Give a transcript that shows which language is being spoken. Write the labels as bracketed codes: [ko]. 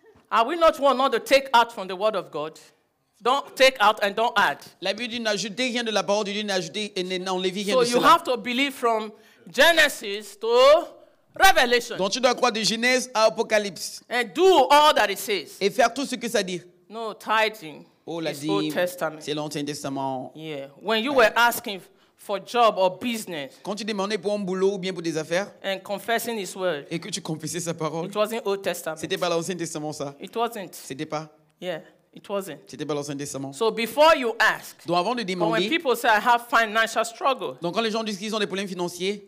[en] Are we not one not to take out from the Word of God? Don't take out and don't add. [fr] La Bible dit n'ajoutez rien de la parole de Dieu, n'ajoutez et n'enlevez rien [en] so [fr] de cela. [en] So you have to believe from Genesis to Revelation. [fr] Donc tu dois croire de Genèse à Apocalypse. [en] And do all that it says. [fr] Et faire tout ce que ça dit. [en] No tithing. [fr] Oh, la dîme, [en] Old Testament. [fr] C'est l'Ancien Testament. [en] Yeah. When you were asking for job or business. [fr] Quand tu demandais pour un boulot ou bien pour des affaires. [en] And confessing his word. [fr] Et que tu confessais sa parole. [en] It wasn't Old Testament. [fr] C'était pas l'Ancien Testament ça. [en] It wasn't. [fr] C'était pas. [en] Yeah. It wasn't. [fr] C'était pas l'Ancien Testament. [en] So before you ask. [fr] Donc avant de demander. [en] When people say I have financial struggle. [fr] Donc quand les gens disent qu'ils ont des problèmes financiers.